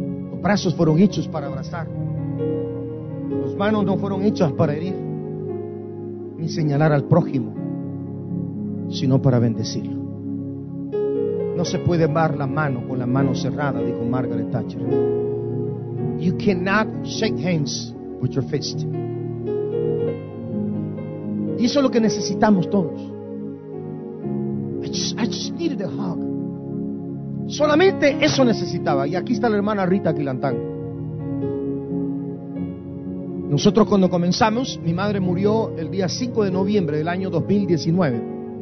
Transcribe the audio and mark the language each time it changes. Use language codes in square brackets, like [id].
[es] Los brazos fueron hechos para abrazar. Las manos no fueron hechas para herir ni señalar al prójimo, sino para bendecirlo. No se puede dar la mano con la mano cerrada, dijo Margaret Thatcher. [en] You cannot shake hands with your fist. [es] Y eso es lo que necesitamos todos. [en] I just needed a hug. [es] Solamente eso necesitaba. Y aquí está la hermana Rita Quilantán. Nosotros cuando comenzamos, mi madre murió el día 5 de noviembre del año 2019.